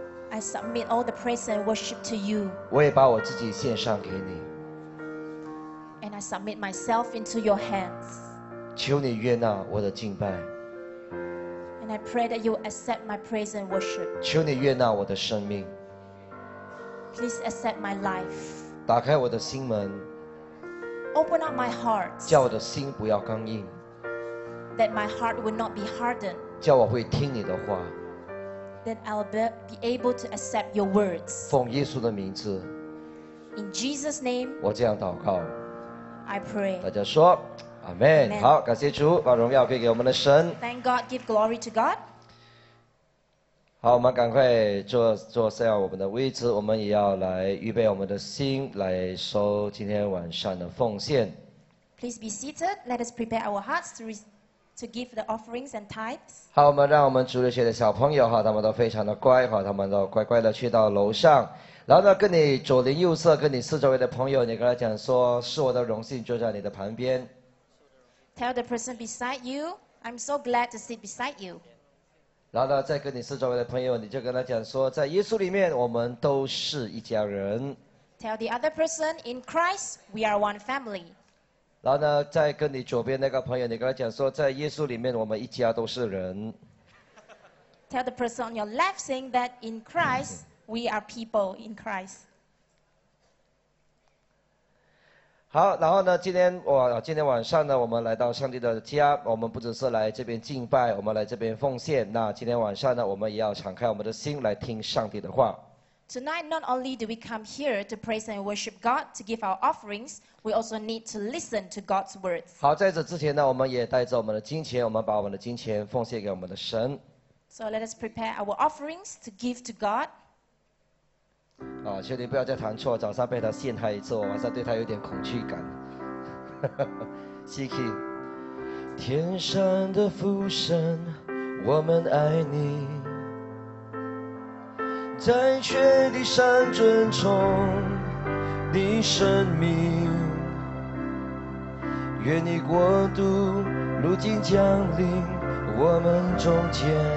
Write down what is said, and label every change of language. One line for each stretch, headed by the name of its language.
English: I submit all the praise and worship to you.
Chinese: 我也把我自己献上给你。
English: And I submit myself into your hands.
Chinese: 求你悦纳我的敬拜。
English: And I pray that you accept my praise and worship.
Chinese: 求你悦纳我的生命。
English: Please accept my life.
Chinese: 打开我的心门。
English: Open up my heart.
Chinese: 叫我的心不要刚硬。
English: That my heart would not be hardened.
Chinese: 叫我会听你的话。
English: Then I'll be able to accept your words.
Chinese: 奉耶稣的名字。
English: In Jesus' name.
Chinese: 我这样祷告。
English: I pray.
Chinese: 大家说。Amen. Amen. 好，感谢主，把荣耀归给我们的神。
English: Thank God, give glory to God.
Chinese: 好，我们赶快坐下我们的位置，我们也要来预备我们的心，来收今天晚上的奉献。
English: Please be seated. Let us prepare our hearts to give the offerings and tithes.
Chinese: 好，我们让我们主日学的小朋友哈，他们都非常的乖哈，他们都乖乖的去到楼上。然后呢，跟你左邻右舍，跟你四周围的朋友，你跟他讲说，是我的荣幸坐在你的旁边。
English: Tell the person beside you, I'm so glad to sit beside you.
Chinese: 然后呢，再跟你四周围的朋友，你就跟他讲说，在耶稣里面，我们都是一家人。
English: Tell the other person, in Christ, we are one family.
Chinese: 然后呢，再跟你左边那个朋友，你跟他讲说，在耶稣里面，我们一家都是人。
English: Tell the person on your left, saying that in Christ, we are people in Christ.
Chinese: 好，然后呢，今天晚上呢，我们来到上帝的家，我们不只是来这边敬拜，我们来这边奉献。那今天晚上呢，我们也要敞开我们的心来听上帝的话。
English: Tonight, not only do we come here to praise and worship God to give our offerings, we also need to listen to God's words.
Chinese: 好，在这之前呢，我们也带着我们的金钱，我们把我们的金钱奉献给我们的神。
English: So let us prepare our offerings to give to God.
Chinese: 啊，求你不要再弹错，早上被他陷害一次，我晚上对他有点恐惧感。 Siki， 天上的父神，我们爱你，在确地上尊重你生命，愿你国度如今降临我们中间，